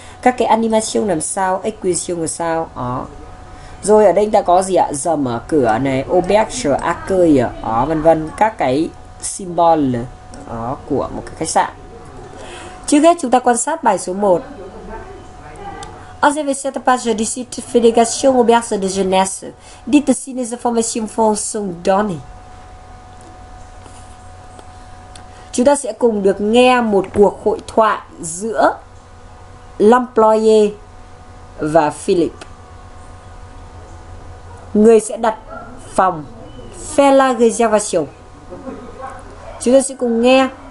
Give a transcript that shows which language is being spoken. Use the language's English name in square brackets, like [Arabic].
[Vietnamese] Các cái animation làm sao, acquisition làm sao. Rồi ở đây ta có gì ạ? Giờ mở cửa này, auberge, accueil, vân vân. Các cái symbol của một cái khách sạn. Trước hết chúng ta quan sát bài số 1. [French] Vous avez cette page du site Fédération Auberge de Jeunesse. Dites si les informations sont données. [Vietnamese] Chúng ta sẽ cùng được nghe một cuộc hội thoại giữa l'employé và Philippe. Người sẽ đặt phòng. [French] Faire la réservation. [Vietnamese] Chúng ta sẽ cùng nghe.